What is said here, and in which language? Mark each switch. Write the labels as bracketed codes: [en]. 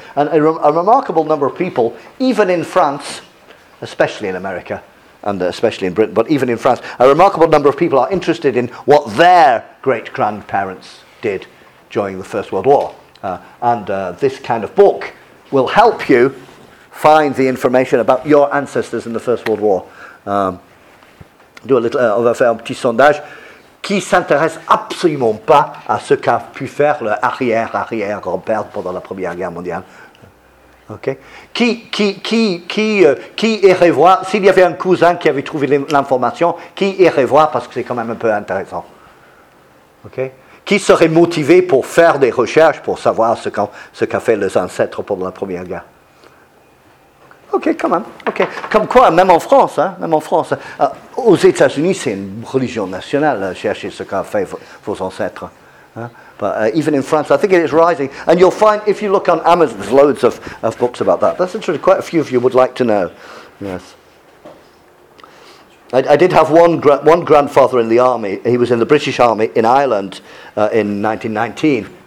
[en] And a remarkable number of people, even in France, especially in America, and especially in Britain, but even in France, a remarkable number of people are interested in what their great-grandparents did during the First World War. This kind of book will help you find the information about your ancestors in the First World War. [fr] On va faire un petit sondage. Qui s'intéresse absolument pas à ce qu'a pu faire le arrière grand-père pendant la Première Guerre mondiale? Ok. Qui irait voir s'il y avait un cousin qui avait trouvé l'information? Qui irait voir parce que c'est quand même un peu intéressant. Ok. Qui serait motivé pour faire des recherches pour savoir ce qu'a fait les ancêtres pendant la Première Guerre? Okay, quand même. Okay. Comme quoi, même en France, hein, même en France, aux États-Unis, c'est une religion nationale, chercher ce qu'ont fait vos ancêtres. Hein. [en] But even in France, I think it is rising. And you'll find, if you look on Amazon, there's loads of books about that. That's interesting. Quite a few of you would like to know. Yes. I did have one grandfather in the army. He was in the British Army in Ireland in 1919.